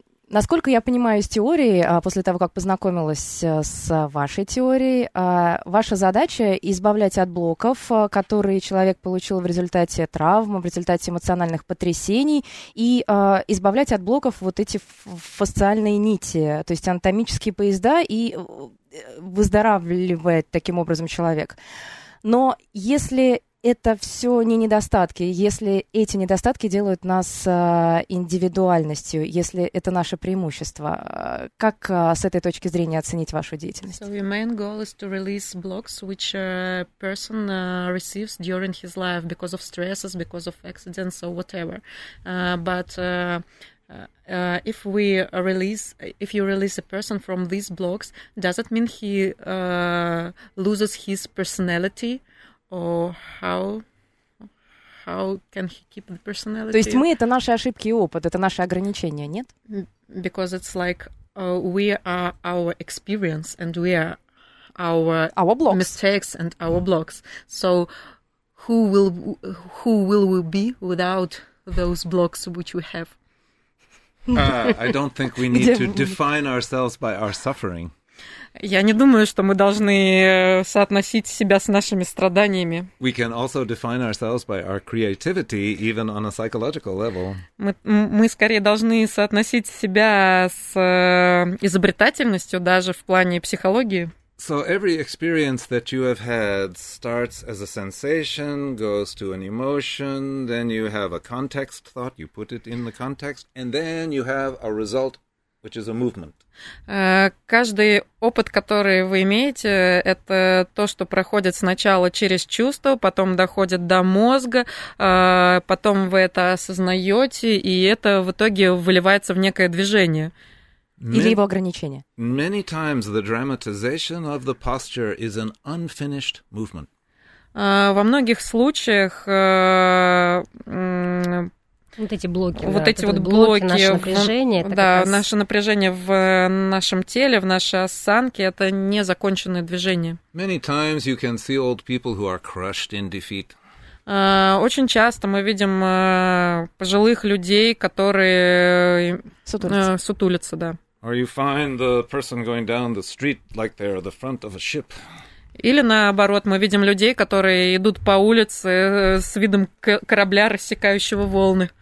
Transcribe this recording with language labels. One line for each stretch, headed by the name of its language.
Russian: Насколько я понимаю из теории, после того, как познакомилась с вашей теорией, ваша задача — избавлять от блоков, которые человек получил в результате травм, в результате эмоциональных потрясений, и избавлять от блоков вот эти фасциальные нити, то есть анатомические поезда, и выздоравливает таким образом человек. Но если... Это все не недостатки, если эти недостатки делают нас индивидуальностью, если это наше преимущество. Как с этой точки зрения оценить вашу деятельность?
English: So your main goal is to release blocks, which a person receives during his life because of stresses, because of accidents or whatever. But If we release, if you release a person from these blocks, does it mean he loses his personality, or how can he keep the personality?
Russian: То есть мы — это наши ошибки и опыт, это наши ограничения, нет?
English: Because it's like we are our experience and we are our blocks, mistakes and our blocks. So who will we be without those blocks which we have? I don't think we need to define ourselves by our suffering.
Russian: Я не думаю, что мы должны соотносить себя с нашими страданиями.
English: We can also define ourselves by our creativity, even on a psychological level.
Russian: Мы скорее должны соотносить себя с изобретательностью даже в плане психологии.
English: So every experience that you have had starts as a sensation, goes to an emotion, then you have a context thought, you put it in the context, and then you have a result, which is a movement.
Russian: Каждый опыт, который вы имеете, это то, что проходит сначала через чувства, потом доходит до мозга, потом вы это осознаете, и это в итоге выливается в некое движение. Или его ограничения.
English: Many times the dramatization of the posture is an unfinished movement.
Russian: Во многих случаях вот эти блоки, вот да, эти вот блоки напряжение, да, раз... наше напряжение в нашем теле, в нашей осанке, это незаконченное движение.
English: Many times you can see old people who are crushed in defeat.
Russian: Очень часто мы видим пожилых людей, которые сутулятся, да.
English: Or you find the person going down the street like they're the front of a ship.
Russian: Или наоборот, мы видим людей, которые идут по улице с видом корабля, рассекающего волны.